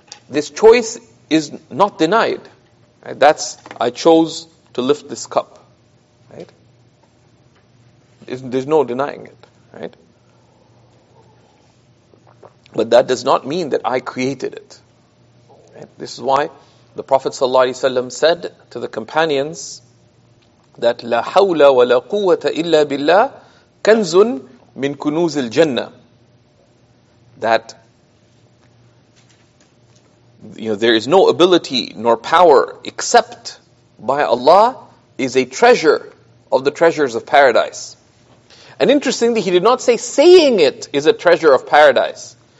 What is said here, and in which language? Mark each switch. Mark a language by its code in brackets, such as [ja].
[en] This choice is not denied. Right? That's, I chose to lift this cup, right? There's no denying it, right? But that does not mean that I created it. Right? This is why the Prophet ﷺ said to the companions that [ar] لا حول ولا قوة إلا بالله كنز من كنوز الجنة. [en] That, you know, there is no ability nor power except by Allah is a treasure of the treasures of paradise. And interestingly, he did not say saying it is a treasure of paradise.